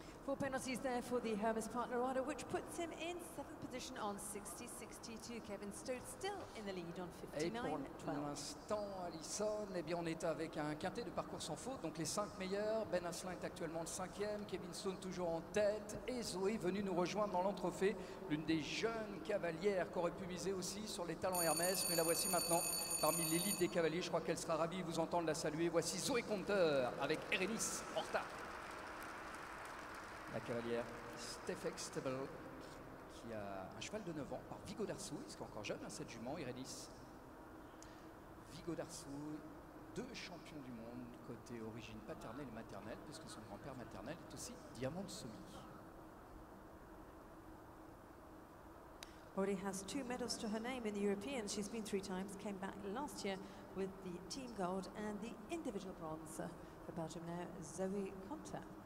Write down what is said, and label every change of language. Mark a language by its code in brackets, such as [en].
[en] 4 penalties there for the Hermès partner rider, which puts him in 7th position on 60-62. Kevin Stoltz still in the lead on 59-12. [fr] Pour l'instant, Alison, eh bien, on est avec un quintet de parcours sans faute, donc les 5 meilleurs. Ben Asselin est actuellement le 5e, Kevin Stone toujours en tête, et Zoé venue nous rejoindre dans l'entrefait, l'une des jeunes cavalières qui aurait pu miser aussi sur les talents Hermès, mais la voici maintenant parmi l'élite des cavaliers. Je crois qu'elle sera ravie de vous entendre la saluer. Voici Zoé Conteur avec Erenice Horta. La cavalière Stefek Stable, qui a un cheval de 9 ans par Vigo d'Arsouille, qui est encore jeune, hein, cette jument, Irénis. Vigo d'Arsouille, deux champions du monde, côté origine paternelle et maternelle, puisque son grand-père maternel est aussi Diamant de Somi. [en] already has two medals to her name in the European. She's been three times, came back last year with the team gold and the individual bronze for Belgium now, Zoë Konta.